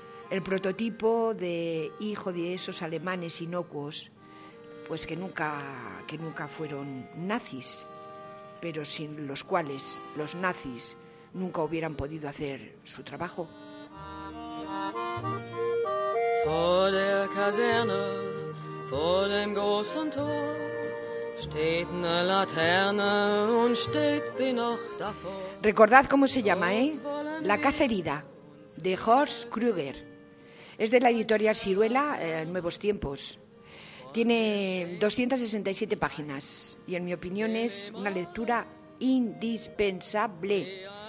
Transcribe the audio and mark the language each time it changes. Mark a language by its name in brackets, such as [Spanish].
[Spanish] El prototipo de hijo de esos alemanes inocuos, pues que nunca fueron nazis, pero sin los cuales los nazis nunca hubieran podido hacer su trabajo. [German] Vor der Kaserne, vor dem großen Tor, steht eine Laterne und steht sie noch davor. [Spanish] Recordad cómo se llama, ¿eh? La Casa Herida, de Horst Kruger. Es de la editorial Siruela, Nuevos Tiempos. Tiene 267 páginas y, en mi opinión, es una lectura indispensable.